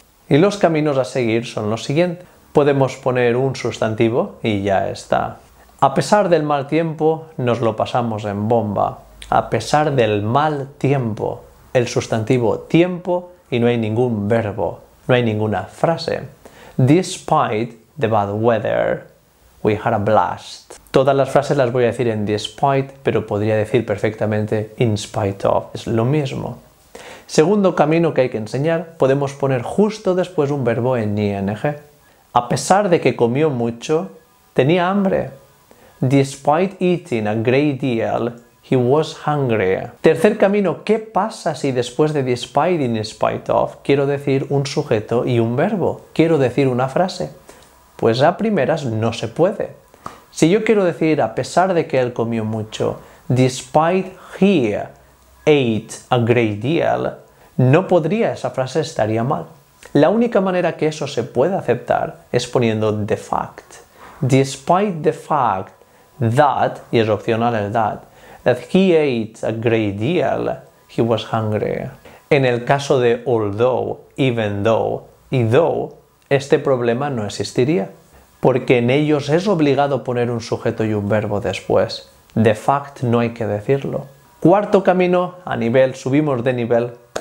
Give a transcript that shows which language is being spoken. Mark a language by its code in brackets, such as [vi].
[es] Y los caminos a seguir son los siguientes. Podemos poner un sustantivo y ya está. A pesar del mal tiempo, nos lo pasamos en bomba. A pesar del mal tiempo, el sustantivo tiempo y no hay ningún verbo, no hay ninguna frase. [en] Despite the bad weather, we had a blast. [es] Todas las frases las voy a decir en despite, pero podría decir perfectamente in spite of. Es lo mismo. Segundo camino que hay que enseñar, podemos poner justo después un verbo en ing. A pesar de que comió mucho, tenía hambre. [en] Despite eating a great deal, he was hungry. [es] Tercer camino, ¿qué pasa si después de despite, in spite of, quiero decir un sujeto y un verbo? Quiero decir una frase. Pues a primeras no se puede. Si yo quiero decir, a pesar de que él comió mucho, [en] despite he ate a great deal, [es] no podría, esa frase estaría mal. La única manera que eso se puede aceptar es poniendo the fact. [en] Despite the fact that, [es] y es opcional el [en] that he ate a great deal, he was hungry. [es] En el caso de although, even though y though, este problema no existiría, porque en ellos es obligado poner un sujeto y un verbo después. De fact no hay que decirlo. Cuarto camino, a nivel, subimos de nivel.